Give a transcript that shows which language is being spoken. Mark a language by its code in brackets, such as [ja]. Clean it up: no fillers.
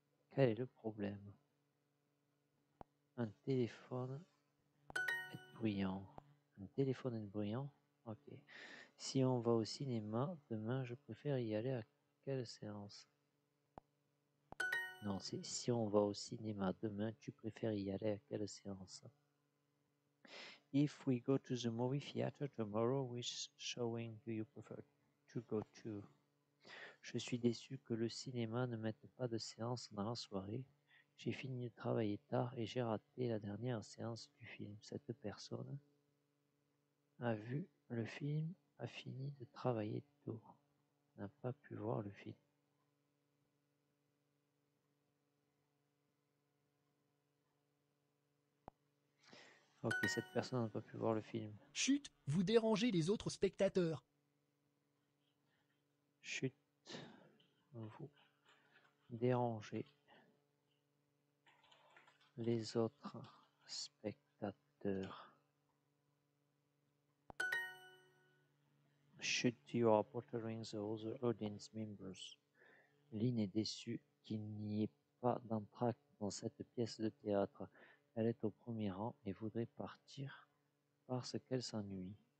[fr] Quel est le problème? Un téléphone est bruyant. Un téléphone est bruyant? Ok. Si on va au cinéma, demain je préfère y aller à quelle séance? Non, c'est si on va au cinéma demain, tu préfères y aller à quelle séance? [en] If we go to the movie theater tomorrow, which showing do you prefer to go to? [fr] Je suis déçu que le cinéma ne mette pas de séance dans la soirée. J'ai fini de travailler tard et j'ai raté la dernière séance du film. Cette personne a vu le film, a fini de travailler tôt, n'a pas pu voir le film. Ok, cette personne n'a pas pu voir le film. Chut, vous dérangez les autres spectateurs. Chut, vous dérangez les autres spectateurs. [en] Chut, you are bothering the other audience members. [fr] Lynn est déçue qu'il n'y ait pas d'entracte dans cette pièce de théâtre. Elle est au premier rang et voudrait partir parce qu'elle s'ennuie.